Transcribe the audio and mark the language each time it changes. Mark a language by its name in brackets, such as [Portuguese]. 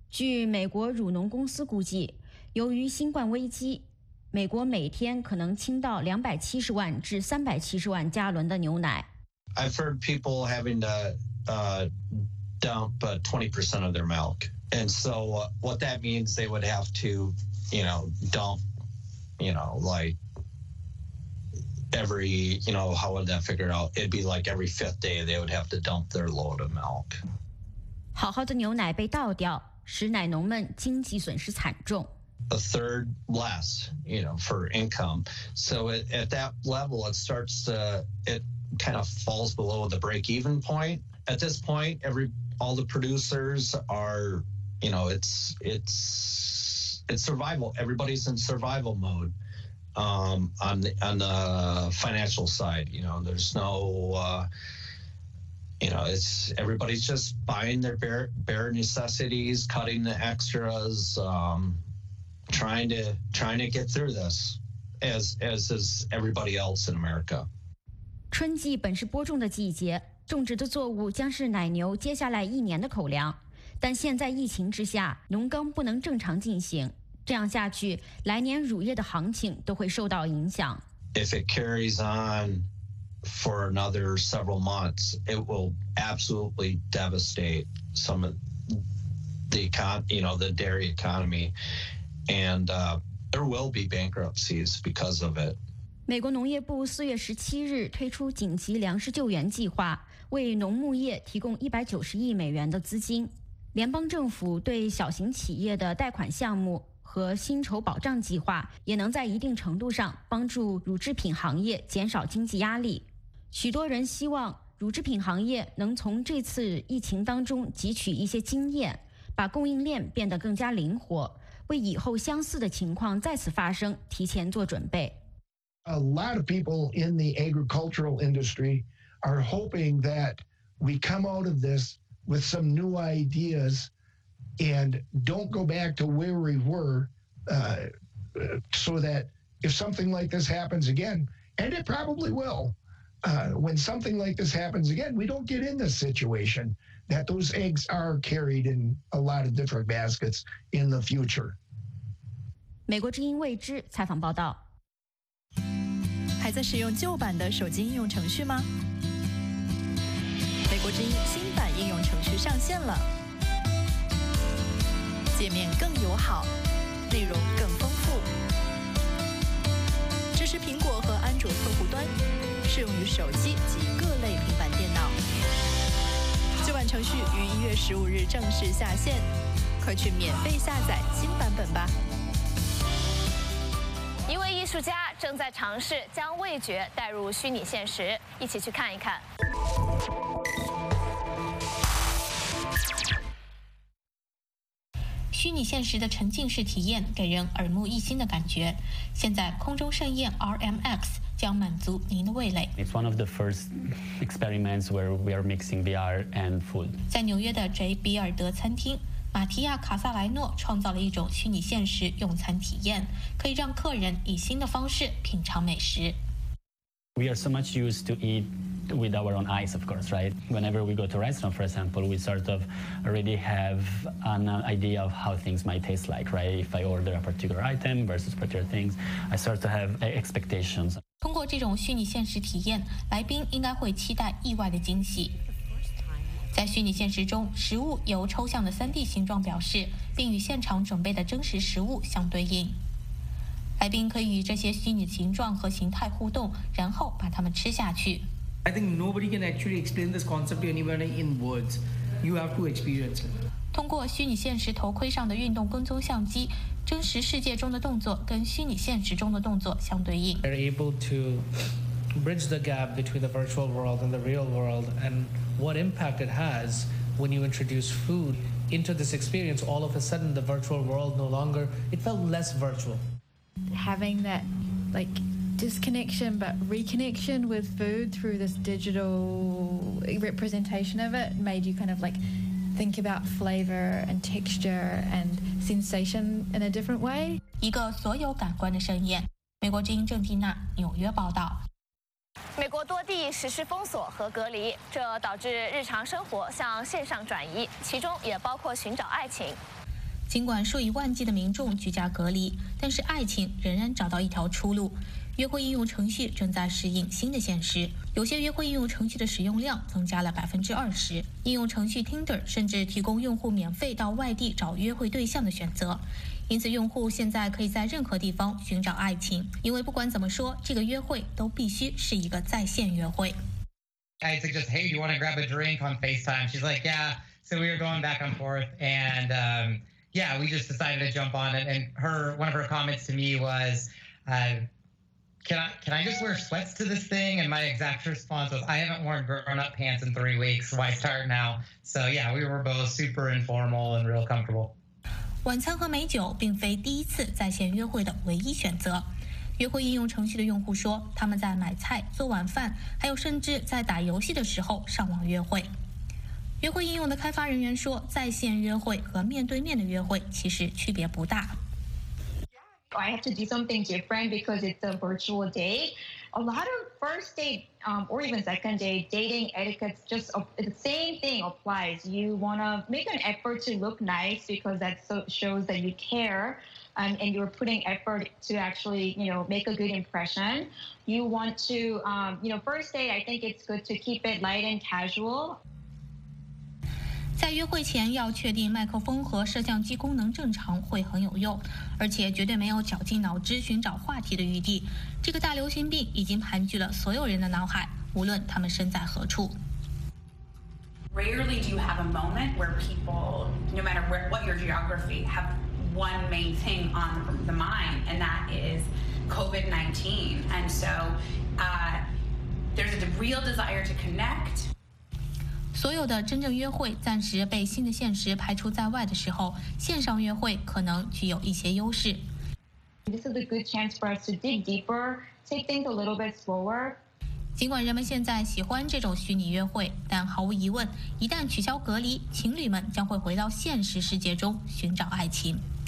[Chinese] 据美国乳农公司估计，由于新冠危机，美国每天可能倾倒270万至370万加仑的牛奶。 [English] I've heard people having to dump 20% of their milk, and so what that means they would have to, you know, dump, you know, like every, you know, how would that figure out? It'd be like every fifth day they would have to dump their load of milk. [Chinese] 好好的牛奶被倒掉，使奶农们经济损失惨重。 [English] A third less, you know, for income. So it, at that level, it starts to, it kind of falls below the break-even point. At this point, all the producers are, you know, it's survival. Everybody's in survival mode on the financial side. You know, there's no, you know, it's everybody's just buying their bare necessities, cutting the extras. Trying to get through this, as is everybody else in America. [Chinese] 春季本是播种的季节，种植的作物将是奶牛接下来一年的口粮。但现在疫情之下，农耕不能正常进行，这样下去，来年乳业的行情都会受到影响。 [English] If it carries on for another several months, it will absolutely devastate some of the the dairy economy. And there will be bankruptcies because of it. [Chinese] 美国农业部4月17日推出紧急粮食救援计划，为农牧业提供190亿美元的资金。联邦政府对小型企业的贷款项目和薪酬保障计划，也能在一定程度上帮助乳制品行业减少经济压力。许多人希望乳制品行业能从这次疫情当中汲取一些经验，把供应链变得更加灵活。为以后相似的情况再次发生提前做准备。 [English] A lot of people in the agricultural industry are hoping that we come out of this with some new ideas and don't go back to where we were, so that if something like this happens again, and it probably will, when something like this happens again, we don't get in this situation that those eggs are carried in a lot of different baskets in the future. [Chinese] 美国之音未知采访报道。还在使用旧版的手机应用程序吗？美国之音新版应用程序上线了，界面更友好，内容更丰富，支持苹果和安卓客户端，适用于手机及各类平板电脑。旧版程序于1月15日正式下线，快去免费下载新版本吧。一位艺术家正在尝试将味觉带入虚拟现实，一起去看一看。虚拟现实的沉浸式体验给人耳目一新的感觉。现在空中盛宴 RMX 将满足您的味蕾。 [English] It's one of the first experiments where we are mixing VR and food. [Chinese] 在纽约的 J. 比尔德餐厅，马提亚·卡萨莱诺创造了一种虚拟现实用餐体验，可以让客人以新的方式品尝美食。 [English] We are so much used to eat. With our own eyes, of course, right? Whenever we go to a restaurant, for example, we sort of already have an idea of how things might taste like, right? If I order a particular item versus particular things, I sort of have expectations. [Chinese] 通过这种虚拟现实体验，来宾应该会期待意外的惊喜。在虚拟现实中，食物由抽象的 3D 形状表示，并与现场准备的真实食物相对应。来宾可以与这些虚拟形状和形态互动，然后把它们吃下去。 [English] I think nobody can actually explain this concept to anybody in words. You have to experience it. [Chinese] 通过虚拟现实头盔上的运动跟踪相机，真实世界中的动作跟虚拟现实中的动作相对应。 [English] They're able to bridge the gap between the virtual world and the real world, and what impact it has when you introduce food into this experience. All of a sudden, the virtual world no longer, it felt less virtual. Having that, like,disconnection but reconnection with food through this digital representation of it made you kind of like think about flavor and texture and sensation in a different way. [Chinese] 一个所有感官的盛宴，美国之音郑蒂娜，纽约报道。美国多地实施封锁和隔离，这导致日常生活向线上转移，其中也包括寻找爱情。尽管数以万计的民众居家隔离，但是爱情仍然找到一条出路。约会应用程序正在适应新的现实，有些约会应用程序的使用量增加了20%。应用程序 Tinder 甚至提供用户免费到外地找约会对象的选择，因此用户现在可以在任何地方寻找爱情。因为不管怎么说，这个约会都必须是一个在线约会。 [English] It's like just, hey, you want to grab a drink on FaceTime? She's like, yeah. So we were going back and forth, and yeah, we just decided to jump on it. And one of her comments to me was. Can I just wear sweats to this thing? And my exact response was, I haven't worn grown-up pants in 3 weeks. Why start now? So yeah, we were both super informal and real comfortable. [Chinese] 晚餐和美酒并非第一次在线约会的唯一选择。约会应用程序的用户说，他们在买菜、做晚饭，还有甚至在打游戏的时候上网约会。约会应用的开发人员说，在线约会和面对面的约会其实区别不大。 [English] I have to do something different because it's a virtual date. A lot of first date, or even second date dating etiquette, just the same thing applies. You want to make an effort to look nice because that shows that you care, and you're putting effort to actually, you know, make a good impression. You want to, you know, first date, I think it's good to keep it light and casual. [Chinese] 在约会前要确定麦克风和摄像机功能正常会很有用，而且绝对没有绞尽脑汁寻找话题的余地。这个大流行病已经盘踞了所有人的脑海，无论他们身在何处。 [English] Rarely do you have a moment where people, no matter where, what your geography, have one main thing on the mind, and that is COVID-19. And so, there's a real desire to connect. [Chinese] 所有的真正约会暂时被新的现实排除在外的时候，线上约会可能具有一些优势。 [English] This is a good chance for us to dig deeper, take things a little bit slower. [Chinese] 尽管人们现在喜欢这种虚拟约会，但毫无疑问，一旦取消隔离，情侣们将会回到现实世界中寻找爱情。